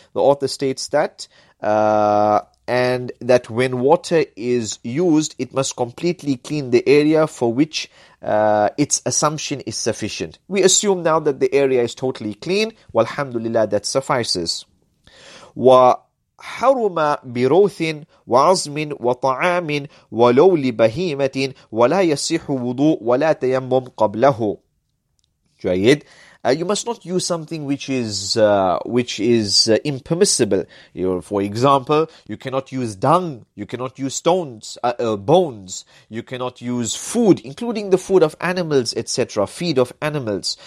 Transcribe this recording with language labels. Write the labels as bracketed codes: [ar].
[en] The author states that and that when water is used, it must completely clean the area for which its assumption is sufficient. We assume now that the area is totally clean. Walhamdulillah, that suffices. [ar] حرم بروث وعظم وطعام ولو لبهيمة ولا يصح وضوء ولا تيمم قبله. جيد. [en] You must not use something which is impermissible. For example, you cannot use dung, you cannot use stones, bones, you cannot use food, including the food of animals, etc., feed of animals.